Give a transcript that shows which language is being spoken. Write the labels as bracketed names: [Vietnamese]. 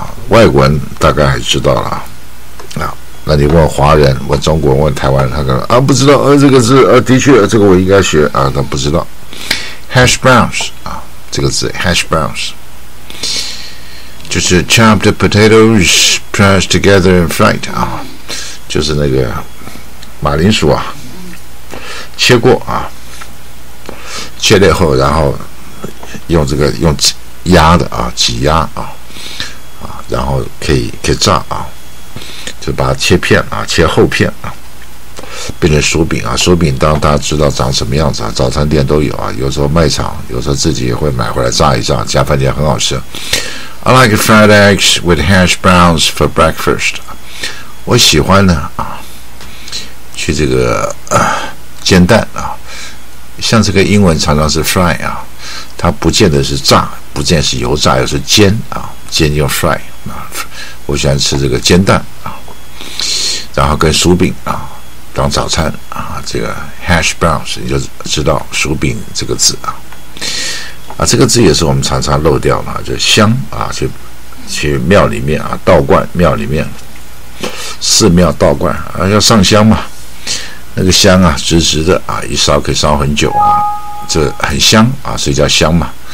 [Chinese] 外国人大概还知道了啊，那你问华人，问中国，问台湾，他可能啊不知道，这个字的确这个我应该学啊，他不知道 hash browns 啊，这个字 hash browns 就是 [English] chopped potatoes pressed together and fried [Chinese] 啊，就是那个马铃薯啊，切过啊，切了以后，然后用这个用压的啊，挤压啊。然后可以炸啊，就把它切片啊，切厚片啊，变成薯饼啊。薯饼当大家知道长什么样子啊，早餐店都有啊，有时候卖场，有时候自己也会买回来炸一炸，加番茄很好吃。 [English] I like fried eggs with hash browns for breakfast。 [Chinese] 我喜欢呢啊，去这个煎蛋啊，像这个英文常常是 fry 啊，它不见得是炸，不见得是油炸，又是煎啊。煎又 fry 啊，我喜欢吃这个煎蛋啊，然后跟薯饼啊当早餐啊，这个 hash browns 你就知道薯饼这个字啊，这个字也是我们常常漏掉嘛，就香啊，去庙里面啊，道观庙里面，寺庙道观啊，要上香嘛，那个香啊直直的啊，一烧可以烧很久啊，这很香啊，所以叫香嘛。